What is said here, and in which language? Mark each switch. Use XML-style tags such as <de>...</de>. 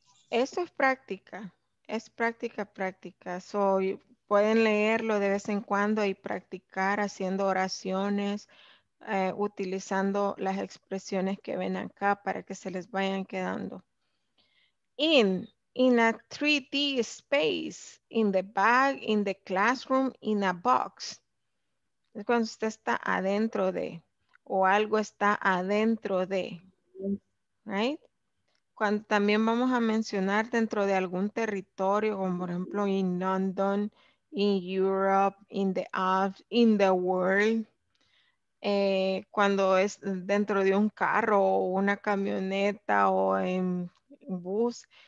<es>Esto es práctica, práctica. So, pueden leerlo de vez en cuando y practicar haciendo oraciones, utilizando las expresiones que ven acá para que se les vayan quedando.</es> <en>In a 3D space, in the bag, in the classroom, in a box.</en> <es>Es cuando usted está adentro de, o algo está adentro de,</es> <en>right?</en> <es>Cuando también vamos a mencionar dentro de algún territorio, como por ejemplo</es> <en>in London, in Europe, in the Alps, in the world,</en> <es>cuando es dentro de un carro o una camioneta o en bus,</es>